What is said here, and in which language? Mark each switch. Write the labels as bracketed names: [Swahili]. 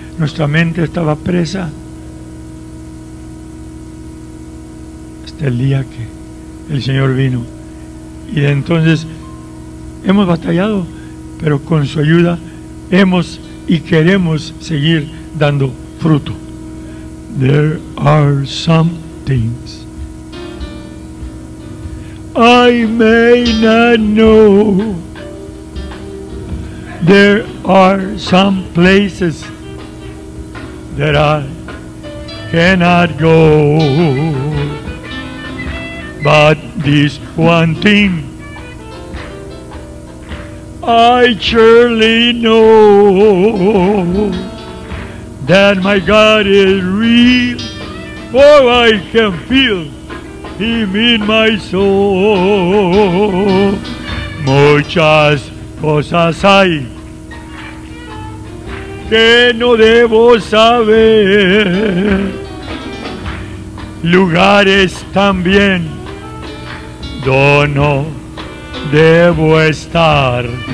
[Spanish] Nuestra mente estaba presa hasta el día que el Señor vino. Y entonces hemos batallado, pero con su ayuda hemos y queremos seguir dando fruto. [English] There are some things I may not know. There are some places that I cannot go. But this one thing I surely know, that my God is real, for I can feel Him in my soul. [Spanish] Muchas cosas hay que no debo saber, lugares también donde no debo estar.